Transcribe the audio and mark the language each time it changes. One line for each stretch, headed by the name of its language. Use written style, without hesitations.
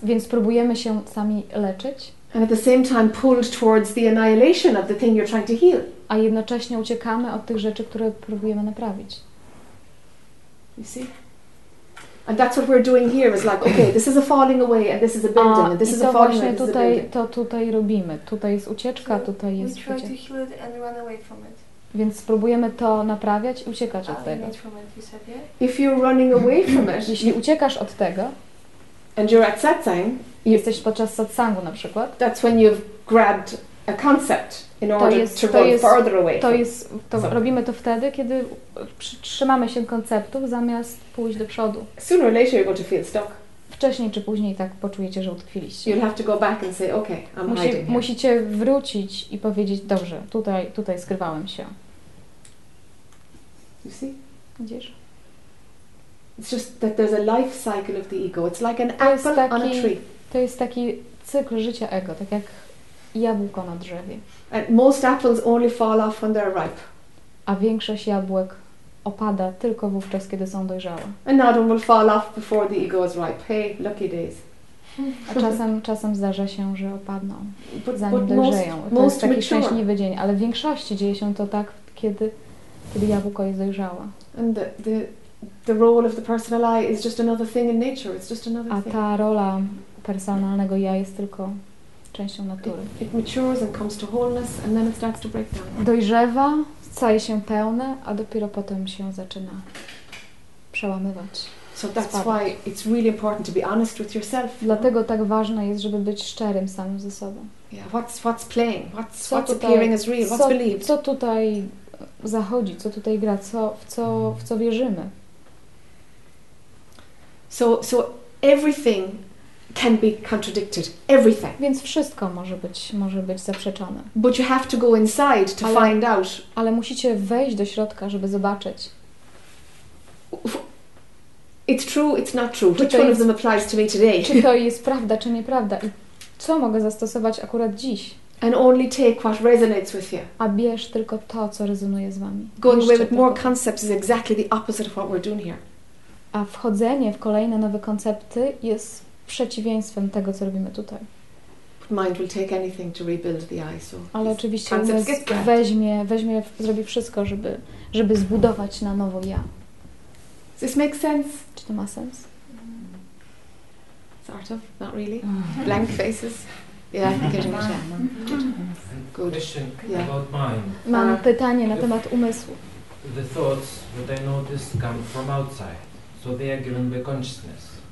Polish: Więc próbujemy się sami leczyć.
English: And at the same time pulled towards the annihilation of the thing you're trying to heal.
Polish: A jednocześnie uciekamy od tych rzeczy, które próbujemy naprawić.
English: You see? And that's what we're doing here is like, okay, this is a falling away and this is a building and this is a falling away.
Polish: Tutaj, to tutaj robimy. Tutaj jest ucieczka, tutaj jest ucieczka.
English: We try to heal it and run away from it.
Polish: Więc spróbujemy to naprawiać i uciekać od tego.
English: If you're running away from it,
Polish: jeśli uciekasz od tego,
English: and you're at satsang,
Polish: jesteś podczas satsangu na przykład,
English: that's when you've grabbed a concept in order to run further away.
Polish: Robimy to wtedy, kiedy przytrzymamy się konceptów zamiast pójść do przodu.
English: Sooner or later you're going to feel stuck.
Polish: Wcześniej czy później tak poczujecie, że utkwiliście.
English: You'll have to go back and say, okay, I'm hiding.
Polish: Musicie wrócić i powiedzieć, dobrze, tutaj skrywałem się.
English: You see?
Polish: Widzisz?
English: It's just that there's a life cycle of the ego. It's like an apple on a tree.
Polish: To jest taki cykl życia ego, tak jak jabłko na drzewie.
English: And most apples only fall off when they're ripe.
Polish: A większość jabłek opada tylko wówczas, kiedy są dojrzałe.
English: Another will fall off before the ego is ripe. Hey, lucky days.
Polish: A czasem zdarza się, że opadną, zanim dojrzeją. To jest taki
English: mature.
Polish: Szczęśliwy dzień, ale w większości dzieje się to tak, kiedy jabłko jest dojrzałe.
English: And the role of the personal I is just another thing in nature. It's just another thing.
Polish: A ta rola personalnego ja jest tylko częścią natury.
English: It matures and comes to wholeness and then it starts to break down.
Polish: Dojrzewa, staje się pełne, a dopiero potem się zaczyna przełamywać.
English: So that's why it's really important to be honest with yourself.
Polish: Dlatego tak ważne jest, żeby być szczerym samym ze sobą.
English: Yeah. What's playing? What's
Polish: tutaj,
English: appearing as real? What's believed?
Polish: Co tutaj zachodzi? Co tutaj gra? W co wierzymy?
English: So everything can be contradicted. Everything.
Polish: Więc wszystko może być zaprzeczone.
English: But you have to go inside to find out.
Polish: Ale musicie wejść do środka, żeby zobaczyć.
English: It's true, it's not true. Which one of them applies to me today?
Polish: Czy to jest prawda, czy nieprawda? I co mogę zastosować akurat dziś?
English: And only take what resonates with you.
Polish: A bierz tylko to, co rezonuje z wami.
English: Going away with more concepts is exactly the opposite of what we're doing here.
Polish: A wchodzenie w kolejne nowe koncepty jest przeciwieństwem tego, co robimy tutaj.
English: Mind will take anything to rebuild the eye, so.
Polish: Ale oczywiście weźmie, zrobi wszystko, żeby zbudować na nowo ja.
English: Does this make sense?
Polish: Czy to ma sens?
English: Sort of, not really. Blank faces. Yeah, I think it makes sense. Good. Question about mind.
Polish: Mam pytanie na temat umysłu.
English: The thoughts that I notice come from outside, so they are given by consciousness.